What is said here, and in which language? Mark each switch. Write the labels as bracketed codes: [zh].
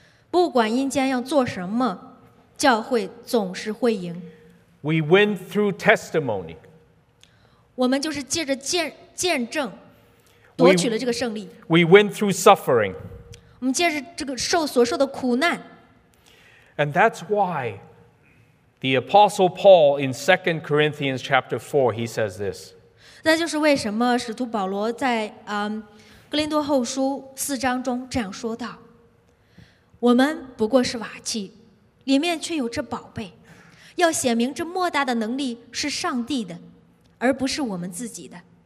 [zh] 不管阴间要做什么，教会总是会赢。 [en] We win through testimony. [zh] 我们就是借着见证，夺取了这个胜利。 [en] We win through suffering. [zh] 我们借着这个所受的苦难。 [en] And that's why the Apostle Paul in 2 Corinthians chapter 4, he says this. [zh] 那就是为什么使徒保罗在格林多后书四章中这样说道：“我们不过是瓦器，里面却有这宝贝，要显明这莫大的能力是上帝的，而不是我们自己的。